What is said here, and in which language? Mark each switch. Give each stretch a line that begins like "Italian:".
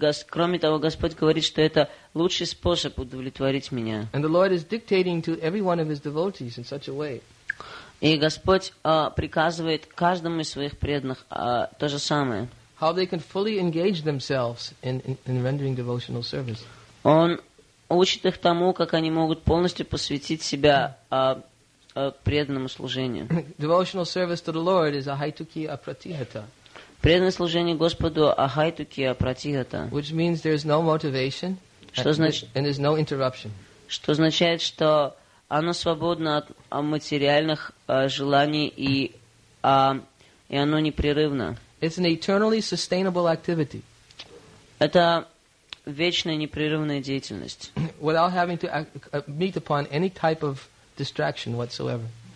Russian: Кроме того, Господь говорит, что это лучший способ удовлетворить меня.
English: And the Lord is dictating to every one of his devotees in such a way.
Russian: И Господь приказывает каждому из своих преданных то же самое.
English: How they can fully engage themselves in rendering devotional service.
Russian: Он учит их тому, как они могут полностью посвятить себя преданному служению.
English: Devotional service to the Lord is
Sanskrit: ahaituki apratihata.
Russian: Преданное служение Господу
Sanskrit: ahaituki apratihata.
English: Which means there is no motivation and there is no interruption.
Russian: Что означает, что оно свободно от материальных желаний и оно непрерывно.
English: It's an eternally sustainable activity.
Russian: Это вечная непрерывная деятельность.
English: Without having to meet upon any type of distraction whatsoever.